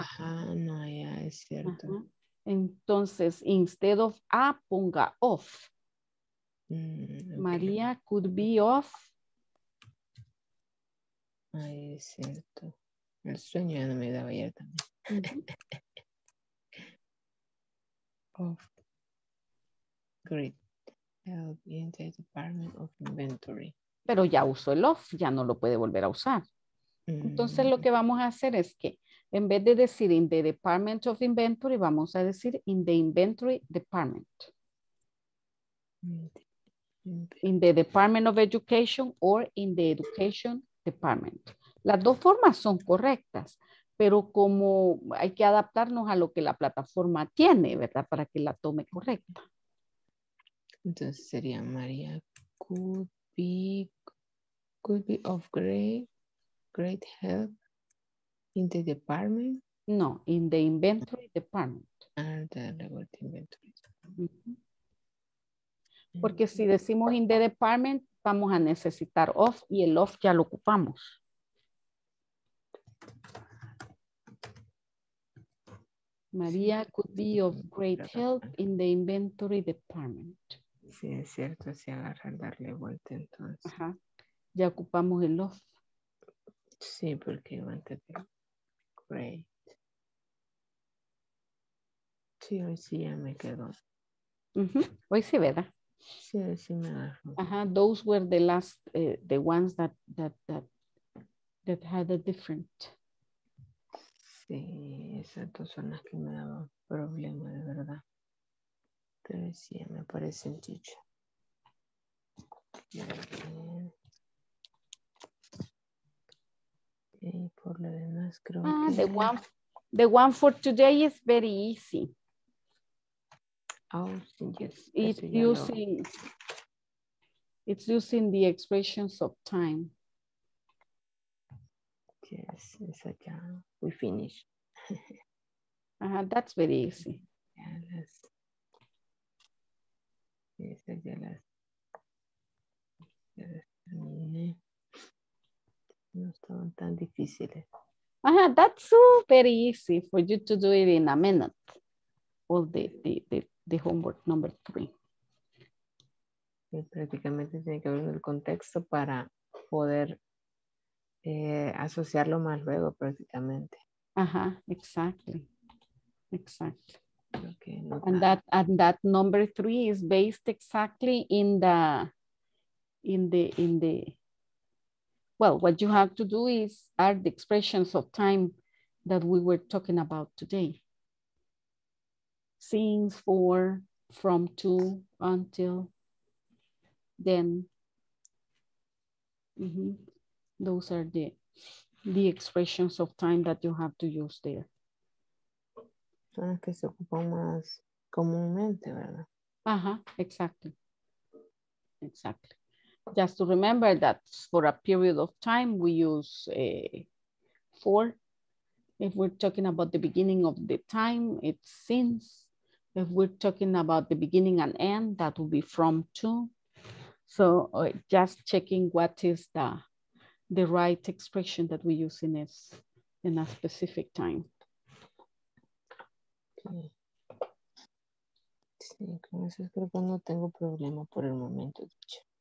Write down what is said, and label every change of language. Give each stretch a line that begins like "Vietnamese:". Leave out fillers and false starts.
Spanish: Ajá, no hay A, es cierto. Ajá.
English: Entonces, instead of A,
Spanish: ponga
English: of. María could be of.
Spanish: Ay, es cierto. El sueño ya no me daba ayer también.
English: Of great help in the department of inventory.
Spanish: Pero ya usó el off, ya no lo puede volver a usar. Entonces lo que vamos a hacer es que en vez de decir
English: in the department of inventory,
Spanish: vamos a decir
English: in the inventory department. In the department of education or in the education department.
Spanish: Las dos formas son correctas, pero como hay que adaptarnos a lo que la plataforma tiene, ¿verdad? Para que la tome correcta. Entonces sería María Cut. Could be of great help in the department. No, in the inventory department. Porque si decimos
English: in the department,
Spanish: vamos a necesitar of y el of ya lo ocupamos. María could be of great help in the inventory department. Sí, es cierto, si agarrar, darle vuelta entonces. Ajá. Ya ocupamos el off. Sí, porque antes de great. Sí, hoy sí ya me quedó. Uh-huh. Hoy sí, ¿verdad? Sí, sí me agarró.
English: Ajá, those were the last, the ones that had a different.
Spanish: Sí, esas dos son las que me daban problema, de verdad. Pero sí, me parece el chicho. Y por lo demás creo que...
English: The one for today is very easy. Oh, yes. It's using the expressions of time. Yes, it's a job. We finish. That's very easy. Yeah, that's...
Spanish: Esa ya las terminé. No estaban tan difíciles.
English: Ajá, that's super easy for you to do it in a minute. All the homework number three.
Spanish: Y prácticamente tiene que ver con el contexto para poder asociarlo más luego, prácticamente.
English: Ajá, exactly. Okay, and that number three is based exactly in the well, what you have to do is add the expressions of time that we were talking about today. Since, for, from, to, until, then, Those are the expressions of time that you have to use there.
Spanish: Son las que se ocupan más comúnmente, ¿verdad?
English: Ajá, exactly. Exactly. Just to remember that for a period of time, we use for. If we're talking about the beginning of the time, it's since. If we're talking about the beginning and end, that will be from to. So just checking what is the right expression that we use in this, in a specific time.
Spanish: Sí, con eso creo que no tengo problema por el momento, dicho.